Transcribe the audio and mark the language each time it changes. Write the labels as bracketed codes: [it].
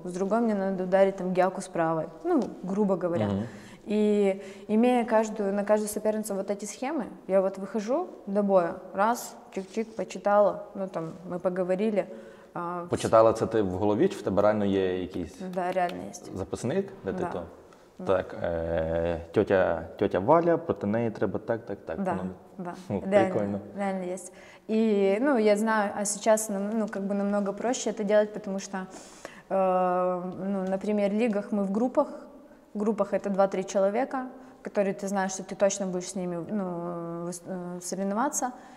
[ru] С другой мне надо ударить там, гиаку с правой, ну, грубо говоря. Mm-hmm. И имея на каждую соперницу вот эти схемы, я вот выхожу до боя, раз, чик-чик, почитала, ну, там, мы поговорили. Почитала, это ты в голове, в тебе реально есть какой-то... Да, реально есть. Записник, где ты то? Да. [uk] Так, тетя Валя, проти неї треба так. [ru] Да, прикольно. Реально есть. И, ну, я знаю, а сейчас, ну, как бы намного проще это делать, потому что, ну, например, в лигах мы в группах. В группах это 2-3 человека, которые ты знаешь, что ты точно будешь с ними, ну, соревноваться.